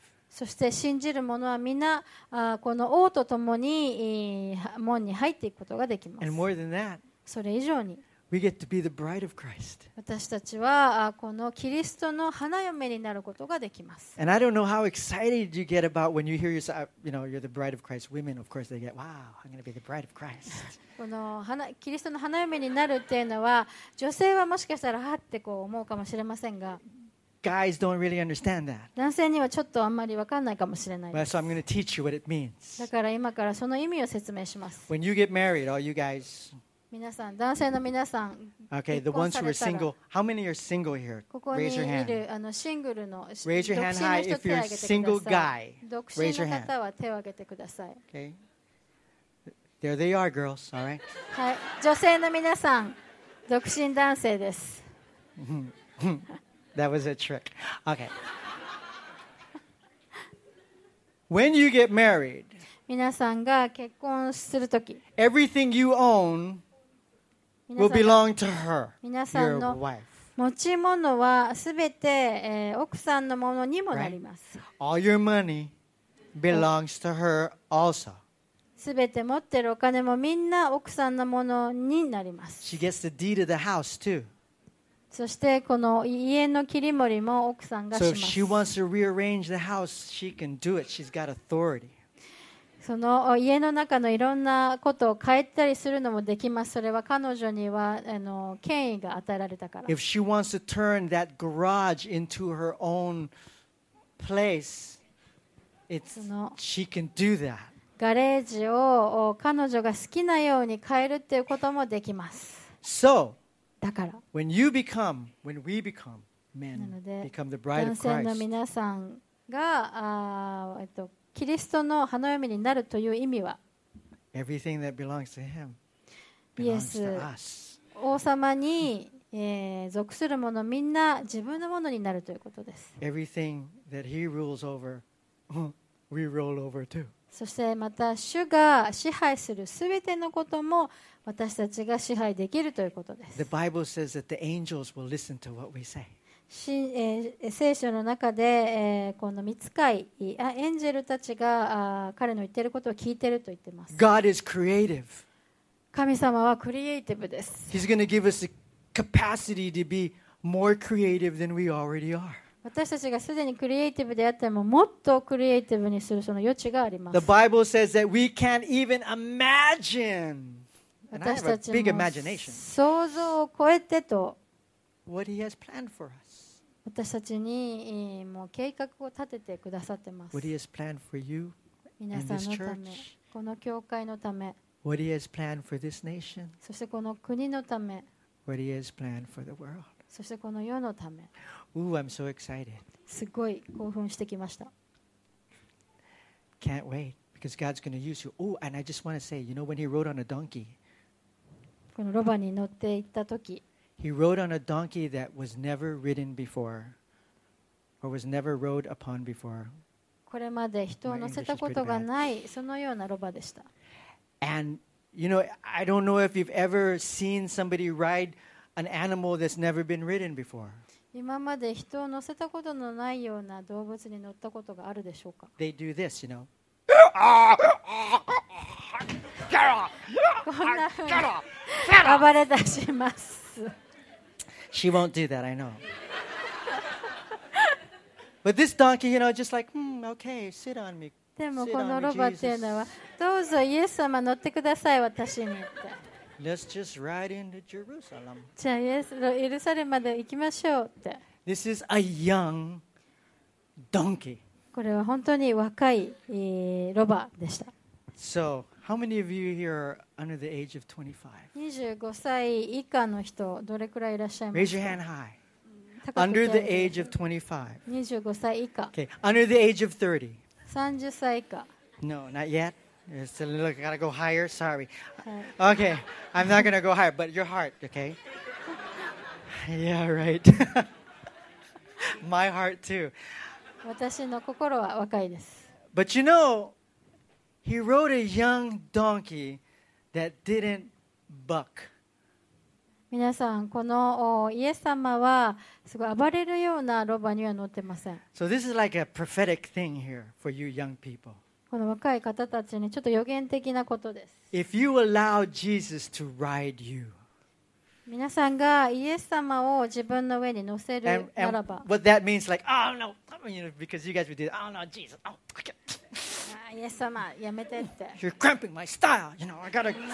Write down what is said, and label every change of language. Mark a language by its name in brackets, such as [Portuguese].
[Japanese] そして信じる者はみんなこの王と共に門に入っていくことができます。それ以上に私たちはこのキリストの花嫁になることができます。 [English] And I don't know how excited you get about when you hear yourself, you know, you're the bride of Christ. Women, of course, they get, wow, I'm going to be the bride of Christ. [Japanese] このキリストの花嫁になるっていうのは、女性はもしかしたらはってこう思うかもしれませんが、 [English] guys don't really understand that. [Japanese] 男性にはちょっとあんまり分かんないかもしれない。 [English] So I'm going to teach you what it means. [Japanese] だから今からその意味を説明します。 [English] When you get married, all you guys. [Japanese] 皆さん、男性の皆さん、 [English] okay, the ones who are single, how many are single here? Raise your hand. [Japanese] ここにいるシングルの、 [English] raise your hand high if you're a single guy. Raise your hand. [Japanese] 独身の方は手を挙げてください。 [English] Okay. There they are, girls. All right. [Japanese] はい、女性の皆さん、独身男性です。 [English] That was a trick. Okay. When you get married, [Japanese] 皆さんが結婚するとき、 [English] everything you own. Will belong to her, your wife. [Japanese] 持ち物はすべて奥さんのものにもなります。 [English] All your money belongs to her also. [Japanese] すべて持ってるお金もみんな奥さんのものになります。 [English] She gets the deed of the house too. [Japanese] そしてこの家の切り盛りも奥さんがします。 [English] So if she wants to rearrange the house, she can do it. She's got authority. [Japanese] その家の中のいろんなことを変えたりするのもできます。それは彼女には権威が与えられたから。 [English] If she wants to turn that garage into her own place, she can do that. [Japanese] ガレージを彼女が好きなように変えるっていうこともできます。 [English] So, [Japanese] だから、 [English] when you become, when we become men, become the bride of Christ. [Japanese] 男性の皆さんがキリストの花嫁になるという意味は、 [English] Everything that belongs to him belongs to us. [Japanese] 王様に属するものみんな自分のものになるということです。 [English] Everything that he rules over, we rule over too. [Japanese] そしてまた主が支配するすべてのことも私たちが支配できるということです。 [English] The Bible says that the angels will listen to what we say. [Japanese] 聖書の中で、この御使い、エンジェルたちが彼の言ってることを聞いてると言ってます。 [English] God is creative. [Japanese] 神様はクリエイティブです。 [English] He's going to give us the capacity to be more creative than we already are. [Japanese] 私たちがすでにクリエイティブであっても、もっとクリエイティブにするその余地があります。 [English] The Bible says that we can't even imagine. [Japanese] 私たちも想像を超えてと。 [English] What he has planned for us. [Japanese] 私たちにもう計画を立ててくださってます。 [English] What he has planned for you in this church. [Japanese] 皆さんのため、この教会のため。 [English] What he has planned for this nation. [Japanese] そしてこの国のため。 [English] What he has planned for the world. [Japanese] そしてこの世のため。 [English] Ooh, I'm so excited. [Japanese] すごい興奮してきました。 [English] Can't wait because God's going to use you. Ooh, and I just want to say, you know when he rode on a donkey. [Japanese] このロバに乗って行った時。 [English] He rode on a donkey that was never ridden before, or was never rode upon before. [Japanese] これまで人を乗せたことがないそのようなロバでした。 [English] And You know, I don't know if you've ever seen somebody ride an animal that's never been ridden before. [Japanese] 今まで人を乗せたことのないような動物に乗ったことがあるでしょうか? [English] They do this, you know. [Japanese] こんなふうに暴れ出します。 [English] She won't do that, I know. But this donkey, you know, just like, okay, sit on me. [Japanese] でもこのロバっていうのは、どうぞイエス様乗ってください、私にって。 [English] Let's just ride into Jerusalem. [Japanese] じゃあ、イエス、エルサレムまで行きましょうって。 [English] This is a young donkey. [Japanese] これは本当に若いロバでした。 [English] So, how many of you here are under the age of 25? [Japanese] 25歳以下の人、どれくらいいらっしゃいますか? [English] Raise your hand high. Under the age of 25. [Japanese] 25歳以下。 [English] Okay, under the age of 30. [Japanese] 30歳以下。 [English] No, not yet. It's a little, I gotta go higher, sorry. Okay, I'm not gonna go higher, but your heart, okay? Yeah, right. My heart too. [Japanese] 私の心は若いです。 [English] But you know, he rode a young donkey that didn't buck. [Japanese] 皆さん、このイエス様はすごい暴れるようなロバには乗ってません。 [English] So this is like a prophetic thing here for you young people. [Japanese] この若い方たちにちょっと予言的なことです。 [English] If you allow Jesus to ride you, [Japanese] 皆さんがイエス様を自分の上に乗せるならば、 [English] what that means like, oh no, you know, because you guys would do, oh no, Jesus, oh, [Japanese] イエス様やめてって。 [English] You're cramping my style, you know. I gotta.